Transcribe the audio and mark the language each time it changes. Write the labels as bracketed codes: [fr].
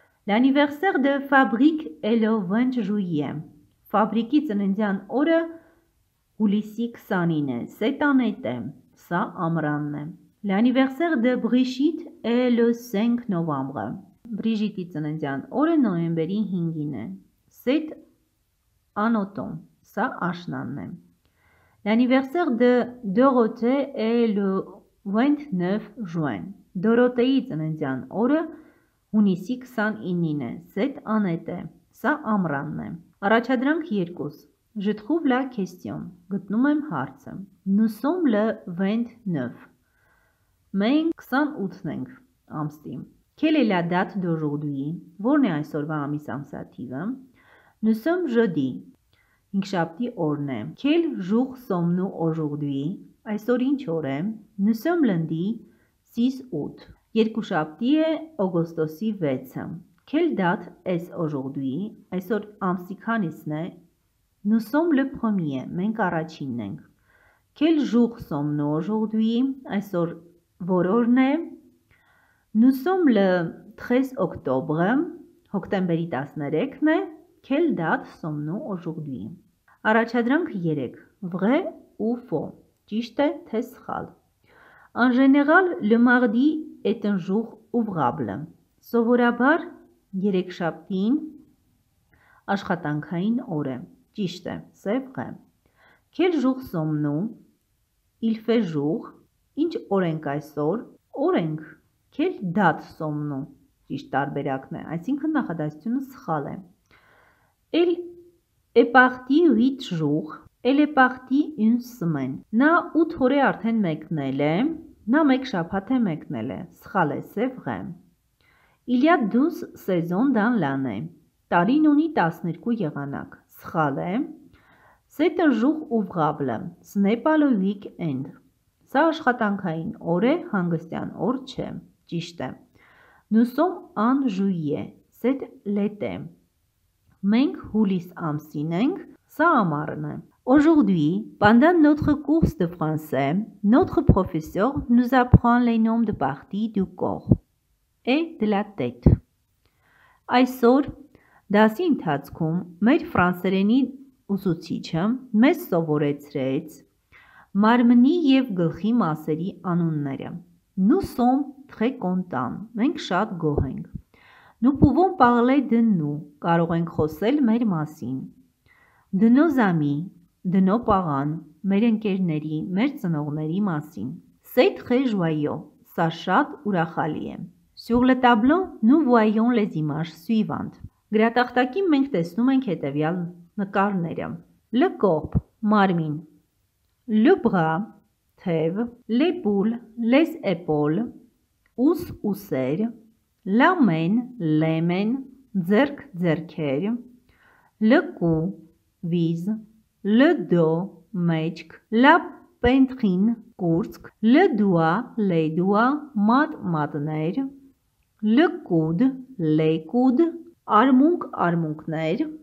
[fr] L'anniversaire de Fabrique est le 20 juillet [hy] Ֆաբրիկի ծննդյան օրը հուլիսի 29-ին է [fr] C'est en été [hy] Սա ամռանն է [fr] L'anniversaire de Brigitte est le 5 novembre [hy] Բրիջիտի ծննդյան օրը նոյեմբերի 5-ին է [fr] C'est un automne, ça achnanne. L'anniversaire de Dorothée est le 29 juin. [hy] Dorothée tsanendian ore hunisi 29-ine. [fr] C'est un été, ça amranne. [hy] Arachadrank 2. [fr] Je trouve la question. [hy] Գտնում եմ հարցը. [fr] Nous sommes le 29. [hy] Մենք 28-ն ենք ամսի. [fr] Quelle est la date d'aujourd'hui? [hy] Որն է այսօրվա ամիս ամսաթիվը? [fr] Nous sommes jeudi. [hy] Ինչաբթի օրն է։ [fr] Quel jour sommes-nous aujourd'hui? [hy] Այսօր ինչ օր է? [fr] Nous sommes lundi 6 août. [hy] Երկու շաբթի է օգոստոսի 6-ը։ [fr] Quel date est aujourd'hui? [hy] Այսօր ամսի քանիսն է? [fr] Nous sommes le premier. [hy] Մենք առաջինն ենք։ [fr] Quel jour sommes-nous aujourd'hui? [hy] Այսօր որ օրն է? [fr] Nous sommes le 13 octobre. [hy] Հոկտեմբերի 13-ն է։ [fr] Quel date sommes-nous aujourd'hui? [hy] Առաջադրանք 3. [fr] Vrai ou faux? [hy] Ճիշտ է թե սխալ? [fr] En général, le mardi est un jour ouvrable. [hy] Սովորաբար երեքշաբթին աշխատանքային օր է։ Ճիշտ է, սև է։ [fr] Quel jour sommes-nous? Il fait jour. [hy] Ինչ օր ենք այսօր? Օր ենք։ [fr] Quel date sommes-nous? [hy] Ճիշտ տարբերակն է, այսինքն նախադասությունը սխալ է։ [fr] Elle est partie 8 jours. Elle est partie une semaine. [hy] Նա 8 օր է արդեն մեկնել է։ Նա 1 շաբաթ է մեկնել է։ Սխալ է, սև է։ [fr] Il y a 12 saisons dans l'année. [hy] Տարին ունի 12 եղանակ։ Սխալ է։ [fr] C'est un jour ouvrable. Ce n'est pas le week-end. [hy] Սա աշխատանքային օր է, հանգստյան օր չէ։ Ճիշտ է։ [fr] Nous sommes en juillet. C'est l'été. [hy] Մենք հուլիս ամսին ենք, սա ամառն է։ [fr] Aujourd'hui, pendant notre cours de français, notre professeur nous apprend les noms de parties du corps et de la tête. [hy] Այսօր դասի ընթացքում մեր ֆրանսերենի ուսուցիչը մեզ սովորեցրեց մարմնի եւ գլխի մասերի անունները։ [fr] Nous sommes très contents. [hy] Մենք շատ գոհ ենք։ [fr] Nous pouvons parler de nous. [hy] Կարող ենք խոսել մեր մասին. [fr] De nos amis, de nos parents, [hy] մեր ընկերների, մեր ծնողների մասին. [fr] C'est très joyeux. [hy] Սա շատ ուրախալի է. [fr] Sur le tableau, nous voyons les images suivantes. [hy] Գրատախտակին մենք տեսնում ենք հետևյալ նկարները. [fr] Le corps, մարմին. Le bras, թև. L'épaule, les épaules. Ուս, ուսեր. La main, lemen, ձերք, ձերքեր, le cou, viz, le dos, մեջք, la peinture, կուրծք, le doigt, les doigts, մատ, մատներ, le coude, les coudes, արմունկ, արմունկներ,